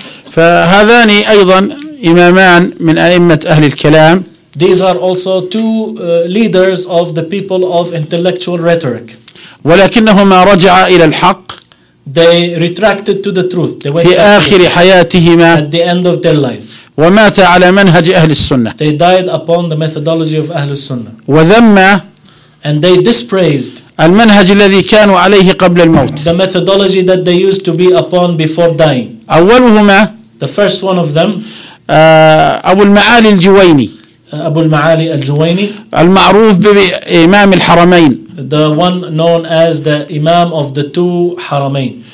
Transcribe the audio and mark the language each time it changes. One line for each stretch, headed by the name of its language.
Arabic: فهذان أيضا إمامان من أئمة أهل الكلام.
English: These are also two leaders of the people of intellectual rhetoric.
Arabic: ولكنهما رجعا إلى الحق.
English: They retracted to the truth. They
Arabic: went في آخر حياتهما.
English: At the end of their lives.
Arabic: ومات على منهج أهل السنة.
English: They died upon the methodology of أهل السنة.
Arabic: وذم.
English: And they dispraised.
Arabic: المنهج الذي كانوا عليه قبل الموت.
English: The methodology that they used to be upon before dying.
Arabic: أولهما.
English: The first one of them.
Arabic: أبو المعالي الجويني. أبو المعالي الجويني. المعروف بإمام الحرمين.
English: The one known as the Imam of the two حرمين.